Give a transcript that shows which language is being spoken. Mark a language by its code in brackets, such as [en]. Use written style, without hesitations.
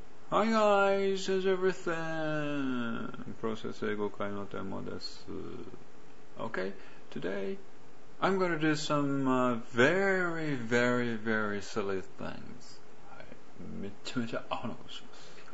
[en] Hi guys, how's everything? [ja] Process 英語会のテーマです。 [en] Okay, today I'm going to do some very, very, very silly things. [ja] はい、めちゃめちゃアホなことします。